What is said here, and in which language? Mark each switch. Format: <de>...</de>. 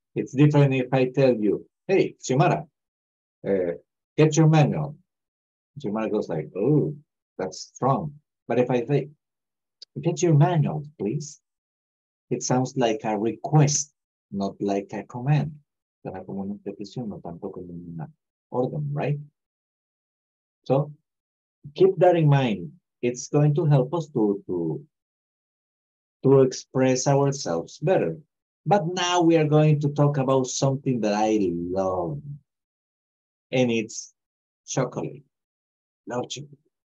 <en>It's different if I tell you, hey, Xiomara, get your manual. Xiomara goes like, oh, that's strong. But if I say, get your manual, please. It sounds like a request, not like a command.</en> <es>Será como una petición, no tanto como una orden,</es> <en>right? So keep that in mind. It's going to help us to express ourselves better. But now we are going to talk about something that I love. And it's chocolate. Love chocolate.</en>